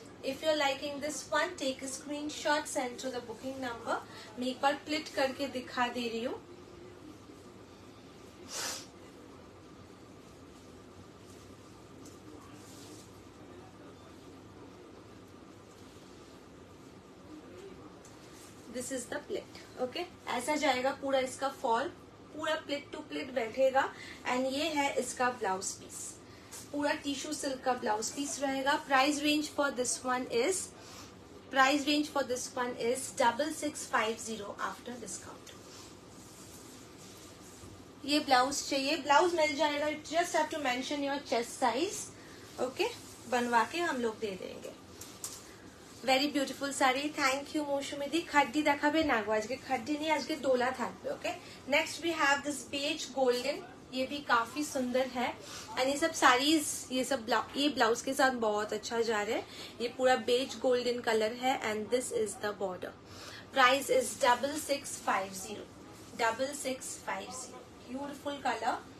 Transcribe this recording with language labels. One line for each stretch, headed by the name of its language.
English: If you're liking this one, take a screenshot, send to the booking number.
Hindi: मैं एक बार प्लिट करके दिखा दे रही हूं.
English: This is the plit. Okay?
Hindi: ऐसा जाएगा पूरा इसका फॉल, पूरा प्लिट टू प्लिट बैठेगा. एंड ये है इसका ब्लाउज पीस, पूरा टिश्यू सिल्क का ब्लाउज पीस रहेगा.
English: Price range for this one is 6650 after discount.
Hindi: ये ब्लाउज चाहिए, ब्लाउज मिल जाएगा.
English: Just have to mention your chest size.
Hindi: Okay बनवा के हम लोग दे देंगे.
English: Very beautiful sari, thank you মৌসুমিদি।
Bangla: খাড্ডি দেখাবে না গো, আজকে খাড্ডি নেই, আজকে দোলা থাকবে। ওকে,
English: next we have this page golden,
Hindi: ये भी काफी सुंदर है। एंड ये सब साड़ीज, ये सब ये ब्लाउज के साथ बहुत अच्छा जा रहा है। ये पूरा बेज गोल्डन कलर है
English: And this is the border. Price is 6650, 6650, beautiful colour.